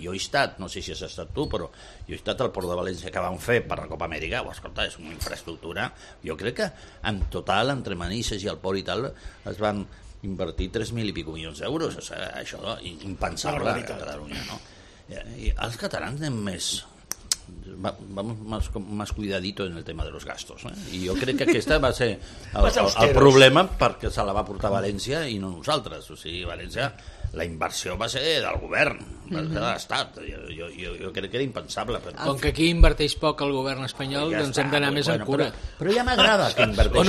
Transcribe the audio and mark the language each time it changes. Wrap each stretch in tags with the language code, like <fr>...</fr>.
<ca>Jo he estat, no sé si has estat tu, però jo he estat al Port de València que vam fer per la Copa Amèrica, o escolta, és una infraestructura. Jo crec que en total, entre Manises i el Port i tal, es van invertir 3.000 i pico milions d'euros. O sigui, això impensable a Catalunya, no? I els catalans anem més...</ca> <es>Vamos más cuidadito en el tema de los gastos, ¿eh? Y yo creo que</es> <ca>aquesta va ser el problema, perquè se la va portar València i no nosaltres. O sigui, València, la inversió va ser del govern, de l'Estat. Jo crec que era impensable. Però... Com que aquí inverteix poc el govern espanyol, ja doncs està, hem d'anar més en cura. Però ja m'agrada que inverteixi.</ca>